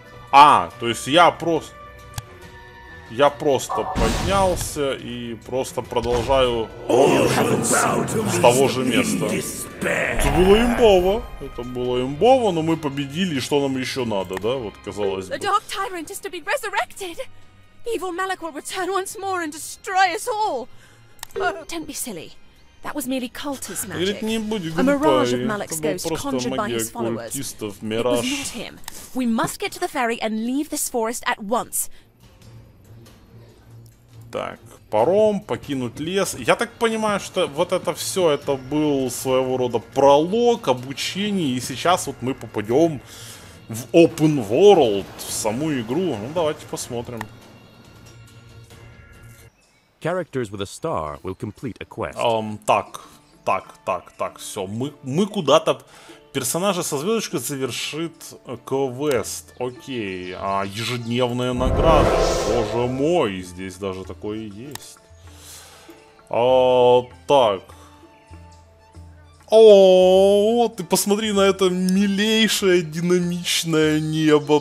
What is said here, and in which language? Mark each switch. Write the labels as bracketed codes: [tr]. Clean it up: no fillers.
[ru] А, то есть я просто поднялся и просто продолжаю с того же места. Это было имбово, но мы победили, и что нам еще надо, да? Вот казалось бы. [en] The Dark Tyrant is to be resurrected. Evil Malak will return once more and destroy us all. Don't be silly. That was merely cultist magic. A mirage of Malak's ghost conjured by his followers. It was not him. We must get to the ferry and leave this forest at once. [ru] Так, паром, покинуть лес. Я так понимаю, что вот это все, это был своего рода пролог, обучение. И сейчас вот мы попадем в open world, в саму игру. Ну, давайте посмотрим. [en] Characters with a star will complete a quest. [ru] Так, все. Мы куда-то... Персонажа со звездочкой завершит квест. Окей. А ежедневная награда. Боже мой, здесь даже такое есть. А, так. О, ты посмотри на это милейшее динамичное небо.